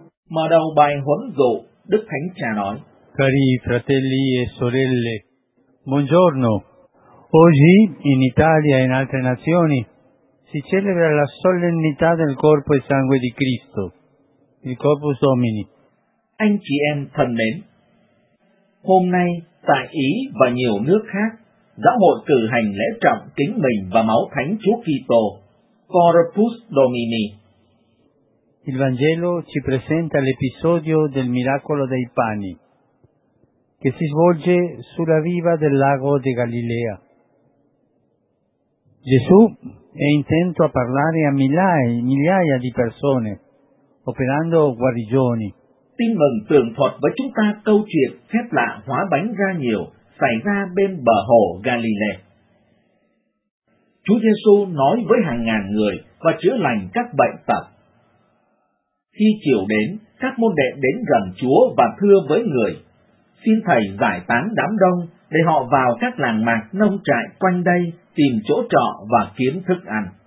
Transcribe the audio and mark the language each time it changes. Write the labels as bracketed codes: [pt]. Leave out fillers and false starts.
[vi] Mở đầu bài huấn dụ, Đức Thánh Cha nói: [it] Cari fratelli e sorelle, buongiorno. Oggi in Italia e in altre nazioni si celebra la solennità del corpo e sangue di Cristo, il Corpus Domini. [vi] Anh chị em thân mến, hôm nay tại Ý và nhiều nước khác, giáo hội cử hành lễ trọng kính mình và máu thánh Chúa Kitô, Corpus Domini. [it] il Vangelo ci presenta l'episodio del miracolo dei pani, che si svolge sulla riva del lago di Galilea. Gesù è intento a parlare a migliaia di persone, operando guarigioni. [vi] Tin mừng tường thuật với chúng ta câu chuyện phép lạ hóa bánh ra nhiều xảy ra bên bờ hồ Galilee. Chúa Giêsu nói với hàng ngàn người và chữa lành các bệnh tật. Khi chiều đến, các môn đệ đến gần Chúa và thưa với người: Xin Thầy giải tán đám đông để họ vào các làng mạc nông trại quanh đây tìm chỗ trọ và kiếm thức ăn.